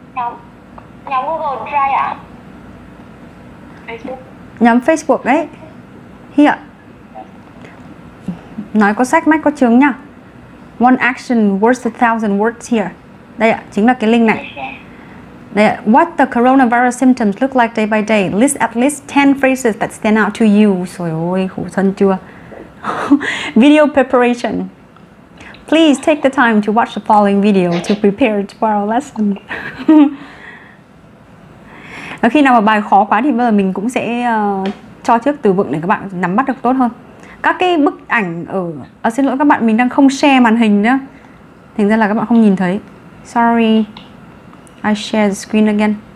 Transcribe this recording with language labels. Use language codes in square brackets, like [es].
[vi] Nhóm Google Drive ạ? [en] Facebook. [vi] Nhóm Facebook ấy. Hi ạ. Nói có sách mách có chứng nhá. [en] One action worth a thousand words here. [vi] Đây ạ, chính là cái link này. Đây ạ. [en] What the coronavirus symptoms look like day by day. List at least 10 phrases that stand out to you. [vi] Trời ơi, khổ thân chưa. [en] Video preparation. Please take the time to watch the following video to prepare for our lesson. [vi] Khi nào mà bài khó quá thì bây giờ mình cũng sẽ cho trước từ vựng để các bạn nắm bắt được tốt hơn. Các cái bức ảnh xin lỗi các bạn, mình đang không share màn hình nữa. Thành ra là các bạn không nhìn thấy. [en] Sorry, I share the screen again.